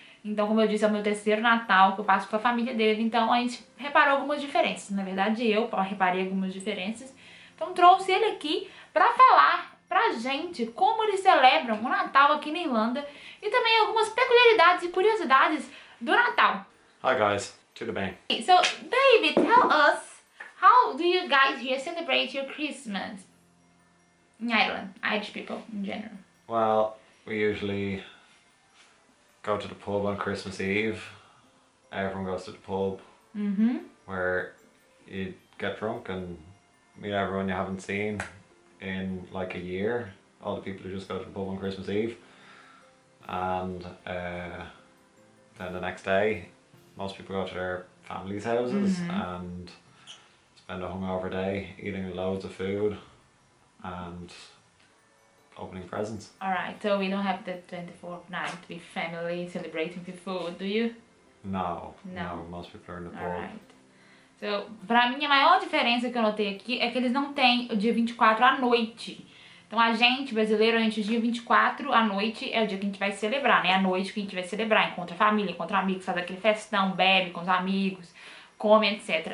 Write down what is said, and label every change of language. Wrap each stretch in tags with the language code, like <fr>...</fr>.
<pt>Então, como eu disse, é o meu terceiro Natal que eu passo com a família dele. Então a gente reparou algumas diferenças. Na verdade, eu reparei algumas diferenças. Então trouxe ele aqui pra falar pra gente como eles celebram o Natal aqui na Irlanda e também algumas peculiaridades e curiosidades do Natal.</pt> <en>Hi guys,</en> <pt>tudo bem?</pt> <en>So, baby, tell us, how do you guys here celebrate your Christmas? In Ireland, Irish people in general. Well, we usually go to the pub on Christmas Eve. Everyone goes to the pub. Mm-hmm. Where you get drunk and meet everyone you haven't seen in like a year. All the people who just go to the pub on Christmas Eve. And then the next day, most people go to their family's houses mm-hmm. and spend a hungover day eating loads of food. And opening presents. All right, so we don't have the 24th night with family celebrating with food, do you? No, most people are in the pub. All right.</en> <pt>So, pra mim, a maior diferença que eu notei aqui é que eles não têm o dia 24 à noite. Então, a gente, brasileiro, a gente, o dia 24 à noite é o dia que a gente vai celebrar, né? A noite que a gente vai celebrar, encontra a família, encontra amigos, faz aquele festão, bebe com os amigos, come, etc.</pt>